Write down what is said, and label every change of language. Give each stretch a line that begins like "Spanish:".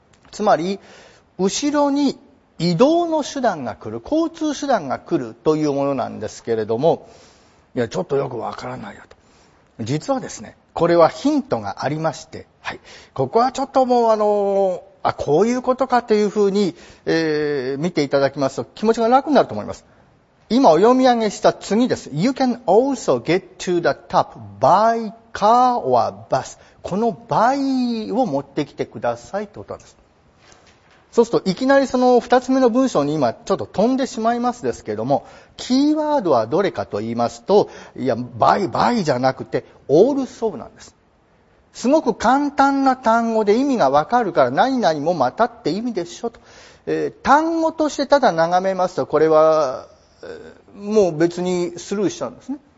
Japanese: つまり後ろに移動の手段が来る、交通手段が来るというものなんですけれども、いや、ちょっとよくわからないよと。実はですね、これはヒントがありまして、はい、ここはちょっともうこういうことかというふうに、見ていただきますと気持ちが楽になると思います。今お読み上げした次です。
English: You can also get to the top by car or bus。
Japanese: この by を持ってきてくださいということです。そうするといきなりその二つ目の文章に今ちょっと飛んでしまいますですけれども、キーワードはどれかと言いますと、いや、バイバイじゃなくてオールソーなんです。すごく簡単な単語で意味がわかるから、何々もまたって意味でしょと、単語としてただ眺めますと、これは、もう別にスルーしちゃうんですね。